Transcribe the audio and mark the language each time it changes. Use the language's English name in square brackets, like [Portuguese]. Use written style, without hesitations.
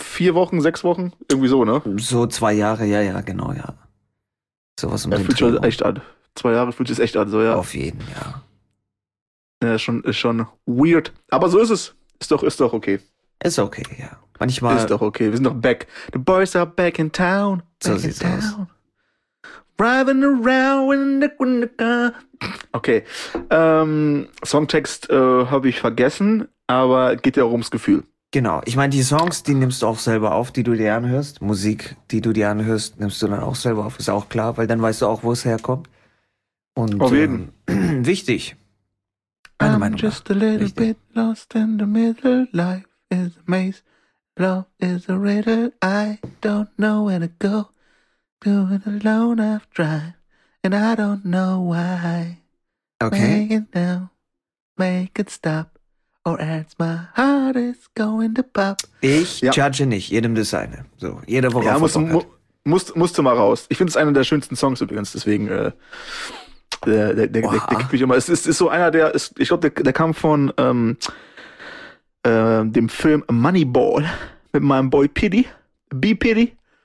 [German] 4 Wochen, 6 Wochen? Irgendwie so, ne? So 2 Jahre, ja, genau. Sowas um den Dreh. Fühlt sich echt an. 2 Jahre fühlt sich echt an, so, ja. Auf jeden, ja. Ja, ist schon weird. Aber so ist es. Ist doch okay. Ist okay, ja. Manchmal. Ist doch okay, wir sind doch back. [English] The boys are back in town. [German] So sieht's aus. [English] Driving around in the car. Okay. [German] Songtext habe ich vergessen, aber geht ja auch ums Gefühl. Genau. Ich meine, die Songs, die nimmst du auch selber auf, die du dir anhörst. Musik, die du dir anhörst, nimmst du dann auch selber auf. Ist auch klar, weil dann weißt du auch, wo es herkommt. Und auf jeden. Wichtig. [English] I'm just a little bit lost in the middle. Life is a maze. Love is a riddle. I don't know where to go. Doing alone, I've tried, and I don't know why. Okay. Make it now, make it stop, or else my heart is going to pop. [German] Ich judge nicht, jedem das eine. So, jeder worauf er Bock hat. Ja, musst du mal raus. Ich finde es einer der schönsten Songs übrigens, deswegen, der kippt mich immer. Ich glaube, der kam von dem Film Moneyball mit meinem Boy Pity, B-Pity.